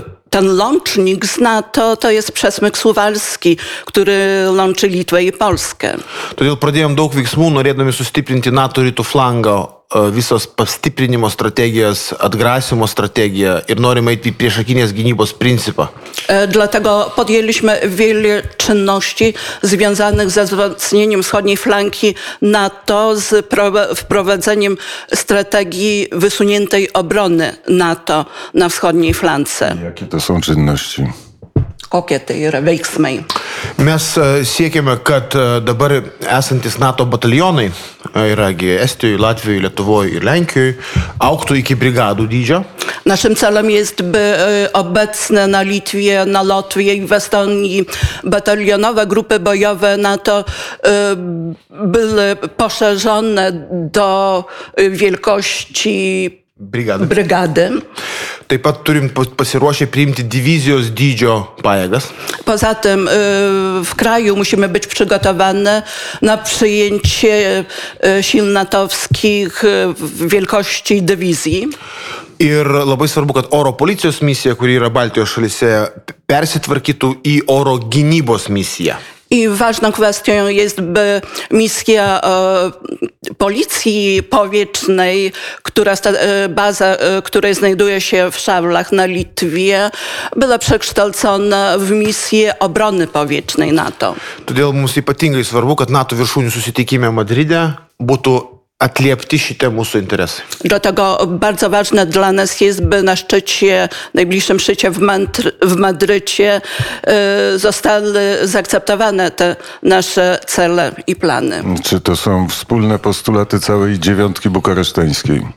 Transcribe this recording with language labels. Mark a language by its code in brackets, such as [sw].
[pl] Ten łącznik z NATO to jest przesmyk suwalski, który łączy Litwę i Polskę. [lt] To dlatego pradėjom daug veiksmų, norėdami sustiprinti NATO rytų flango visos pastiprinimo strategijas, atgrasimo strategiją ir norime eiti priešakinės gynybos principą. [pl] Dlatego podjęliśmy wiele czynności związanych ze wzmocnieniem wschodniej flanki NATO z wprowadzeniem strategii wysuniętej obrony NATO na wschodniej flance. Jakie to są czynności? [lt] Kokie tai yra veiksmai? Mes siekime, kad dabar esantis NATO batalionai, yragi Estijoje, Latvijoje, Lietuvoje ir Lenkijoje, auktų iki brigadų dydžio. [pl] Naszym celem jest, by obecne na Litwie, na Lotwie i w Estonii batalionowe grupy bojowe NATO były poszerzone do wielkości brigady. [lt] Taip pat turim pasiruošę priimti divizijos dydžio pajėgas. [pl] Poza tym w kraju musimy być przygotowane na przyjęcie sił natowskich w wielkości dywizji. [lt] Ir labai svarbu, kad oro policijos misija, kuri yra Baltijos šalyse, persitvarkytų į oro gynybos misiją. [pl] I ważną kwestią jest, by misja policji powietrznej, która baza, która znajduje się w Szawlach na Litwie, była przekształcona w misję obrony powietrznej NATO. [lt] To dlatego mums ypatingai svarbu, kad NATO viršūnių susitikime Madride būtų atliepti šitie mūsų interesai. [pl] Dlatego bardzo ważne dla nas jest, by na szczycie, najbliższym szczycie w Madrycie zostały zaakceptowane te nasze cele i plany. Czy to są wspólne postulaty całej dziewiątki bukareszteńskiej?